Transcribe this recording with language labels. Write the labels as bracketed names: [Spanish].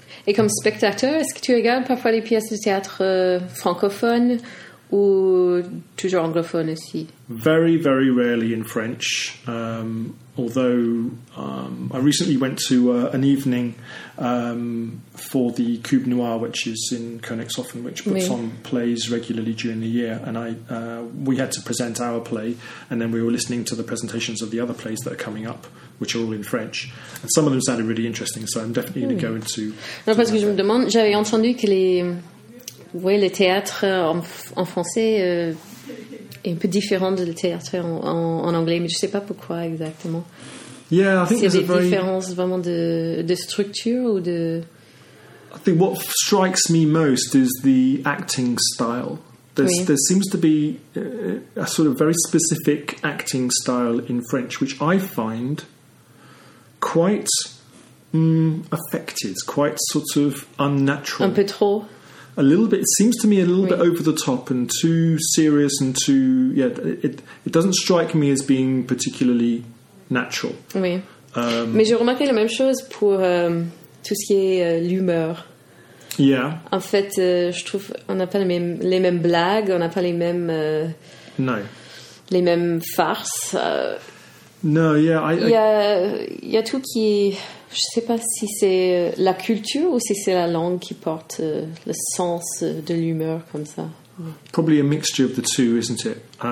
[French] Et comme spectateur, est-ce que tu regardes parfois les pièces de théâtre francophones Ou toujours anglophone aussi? [English] Very, very rarely in French. Although I recently went to an evening for the Cube Noir, which is in Königshofen, which puts on plays regularly during the year. And I we had to present our play, and then we were listening to the presentations of the other plays that are coming up, which are all in French. And some of them sounded really interesting, so I'm definitely going to go into... [French] Non, parce que je me demande, j'avais entendu que les théâtres en français... est un peu différent de le théâtre en anglais, mais je ne sais pas pourquoi exactement. [English] Yeah, I think [French] c'est [English] there's [French] des différences vraiment de structure ou de... [English] I think what strikes me most is the acting style. There seems to be a sort of very specific acting style in French, which I find quite affected, quite sort of unnatural. [French] Un peu trop. [English] A little bit. It seems to me a little bit over the top and too serious and too... Yeah, it doesn't strike me as being particularly natural. [French] Oui. Mais j'ai remarqué la même chose pour tout ce qui est l'humeur. [English] Yeah. [French] En fait, je trouve on n'a pas les mêmes blagues, on n'a pas les mêmes... [English] No. [French] Les mêmes farces. [English] No, yeah. [French] Il y a tout qui... Je ne sais pas si c'est la culture ou si c'est la langue qui porte le sens de l'humeur comme ça. [English] Probably a mixture of the two, isn't it?